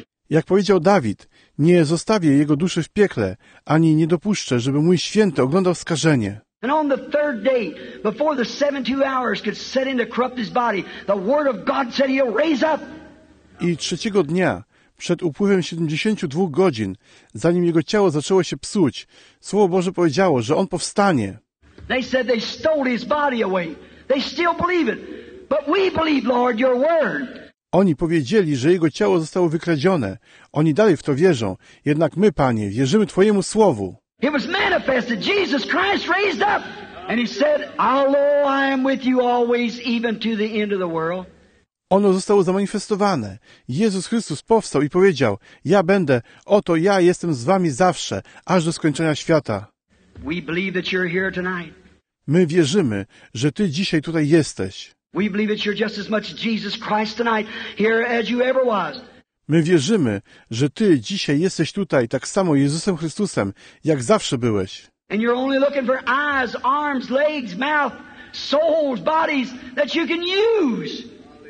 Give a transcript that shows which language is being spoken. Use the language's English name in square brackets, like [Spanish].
[Polish] Jak powiedział Dawid, nie zostawię jego duszy w piekle, ani nie dopuszczę, żeby mój święty oglądał skażenie. [English] And on the third day, before the 72 hours could set in to corrupt his body, the word of God said he'll raise up. [Polish] I trzeciego dnia, przed upływem 72 godzin, zanim jego ciało zaczęło się psuć, Słowo Boże powiedziało, że on powstanie. [English] They said they stole his body away. They still believe it. But we believe, Lord, your word. [Polish] Oni powiedzieli, że jego ciało zostało wykradzione. Oni dalej w to wierzą. Jednak my, Panie, wierzymy Twojemu Słowu. [English] It was manifested. Jesus Christ raised up. And he said, although I am with you always, even to the end of the world. [Polish] Ono zostało zamanifestowane. Jezus Chrystus powstał i powiedział, ja będę, oto ja jestem z wami zawsze, aż do skończenia świata. [English] We believe that you're here tonight. [Polish] My wierzymy, że Ty dzisiaj tutaj jesteś. [English] We believe that you're just as much Jesus Christ tonight, here as you ever was. [Polish] My wierzymy, że Ty dzisiaj jesteś tutaj tak samo Jezusem Chrystusem, jak zawsze byłeś. [English] And you're only looking for eyes, arms, legs, mouth, souls, bodies that you can use.